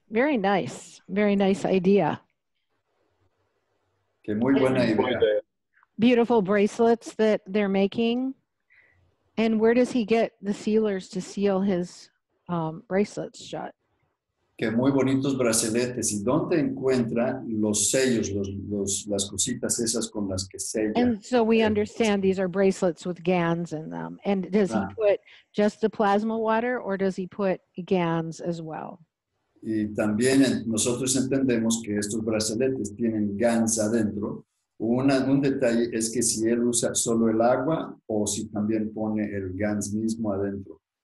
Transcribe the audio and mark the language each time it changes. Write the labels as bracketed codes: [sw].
[en] Very nice. Very nice idea. [es] Que muy buena idea. [en] Beautiful bracelets that they're making. And where does he get the sealers to seal his bracelets shut? [es] Que muy bonitos braceletes. ¿Y dónde encuentra los sellos, las cositas esas con las que sella? [en] And so we understand these are bracelets with GANs in them. And does he put just the plasma water or does he put GANs as well? [es] Y también nosotros entendemos que estos braceletes tienen GANs adentro. Un detalle es que si él usa solo el agua o si también pone el GANs mismo adentro.